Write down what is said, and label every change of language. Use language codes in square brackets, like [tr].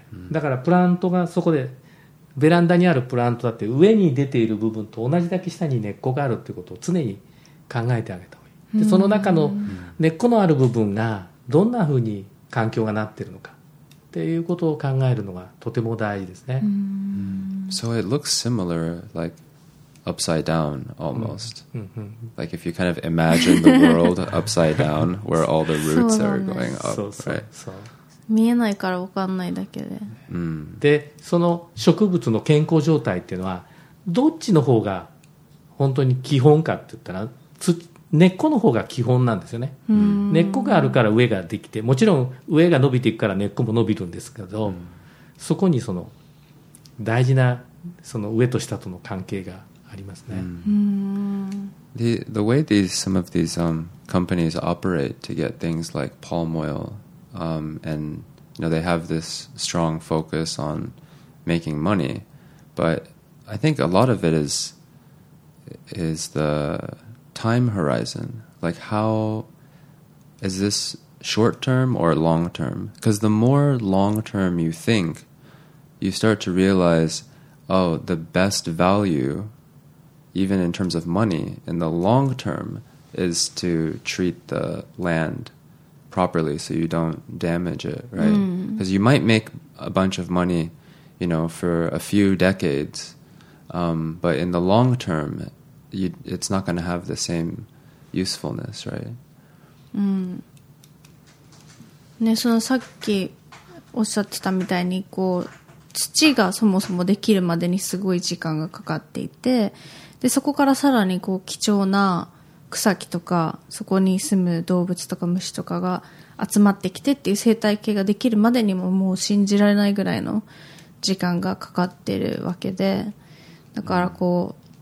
[ja] だからプラントがそこで、ベランダにあるプラントだって上に出ている部分と同じだけ下に根っこがあるということを常に考えてあげた方がいい。でその中の根っこのある部分がどんなふうに環境がなってるのかっていうことを考えるのがとても大事ですね。うん、 [en] So it looks similar, like upside down almost. Mm-hmm. Like if you kind of imagine the world upside down, where all the roots are going up, right? [ja] そう。見えないから分かんないだけで。で、その植物の健康状態っていうのは、どっちの方が本当に基本かって言ったら、根っこの方が基本なんですよね。 Mm-hmm. 根っこがあるから上ができて、もちろん上が伸びていくから根っこも伸びるんですけど、mm-hmm. そこにその大事なその上と下との関係がありますね。 [en] The way these some of these companies operate to get things like palm oil, and you know they have this strong focus on making money, but I think a lot of it is the time horizon. Like how is this short term or long term? Because the more long term you think. You start to realize, oh, the best value, even in terms of money, in the long term, is to treat the land properly so you don't damage it, right? Because you might make a bunch of money, you know, for a few decades, but in the long term, it's not going to have the same usefulness, right? [ja] ね、そのさっきおっしゃってたみたいにこう土がそもそもできるまでにすごい時間がかかっていて、でそこからさらにこう貴重な草木とかそこに住む動物とか虫とかが集まってきてっていう生態系ができるまでにももう信じられないぐらいの時間がかかってるわけで、だからこ